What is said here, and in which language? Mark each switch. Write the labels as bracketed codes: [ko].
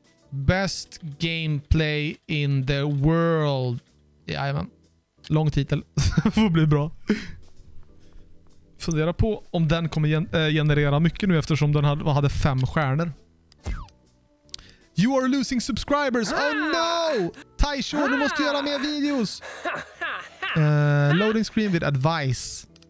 [en] Best gameplay in the world. [sv] Jajamän. Lång titel. Får bli bra. Fundera på om den kommer generera mycket nu eftersom den hade 5 stjärnor. [en] You are losing subscribers. Oh no! [sv] Taisho, du måste göra mer videos. [en] Loading screen with advice.